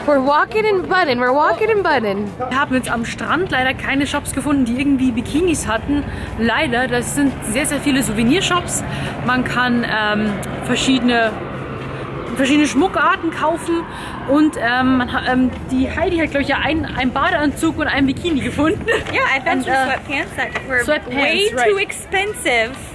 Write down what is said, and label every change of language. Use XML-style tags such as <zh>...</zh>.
<en>We're walking and bunning, we're walking and bunning.</en> <de>Wir haben jetzt am Strand leider keine Shops gefunden, die irgendwie Bikinis hatten. Leider, das sind sehr, sehr viele Souvenirshops. Man kann verschiedene Schmuckarten kaufen und die Heidi hat, glaube ich, ja einen Badeanzug und einen Bikini gefunden.</de> <en>Yeah, I found some sweatpants that were too expensive.</en>